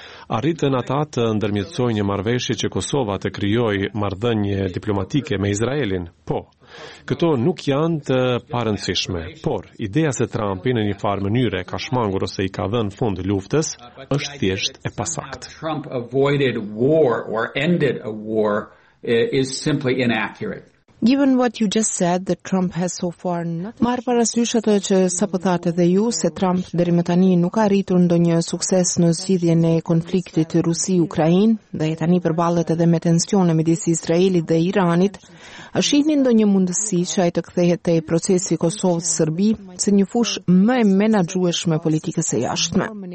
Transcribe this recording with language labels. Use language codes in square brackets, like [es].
[sq] Arritën ata të ndërmjetësoj një marveshje që Kosova të krijoj marrëdhënie diplomatike me Izraelin? Po. Këto nuk janë të parëndësishme, por ideja se Trumpi në një farë mënyre ka shmangur ose i ka dhënë fund luftës është thjesht e pasakt. [en] Trump avoided war or ended a war is simply inaccurate. Given what you just said, that Trump has so far nothing... [sq] Marë parasysh atë që sapo thate dhe ju, se Trump deri më tani nuk ka arritur ndonjë sukses në zgjidhjen e konfliktit Rusi-Ukrainë, dhe tani përballet edhe me tensione midis Izraelit dhe Iranit, a shihni ndonjë mundësi që ai të kthehet te procesi Kosovë-Serbi si një fush më e menaxhueshme politikës së jashtme?